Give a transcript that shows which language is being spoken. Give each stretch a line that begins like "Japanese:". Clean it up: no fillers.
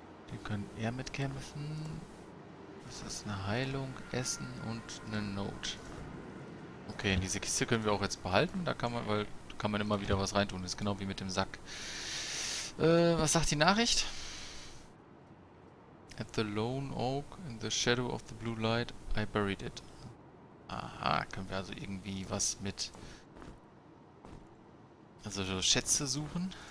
German: Den können er mitkämpfen. Das ist eine Heilung, Essen und eine Note. Okay, diese Kiste können wir auch jetzt behalten. Da kann man, weil kann man immer wieder was reintun. Das ist genau wie mit dem Sack. Was sagt die Nachricht?
English: At the Lone Oak, in the shadow of the blue light, I buried it.
German: Aha, können wir also irgendwie was mit... Also so Schätze suchen.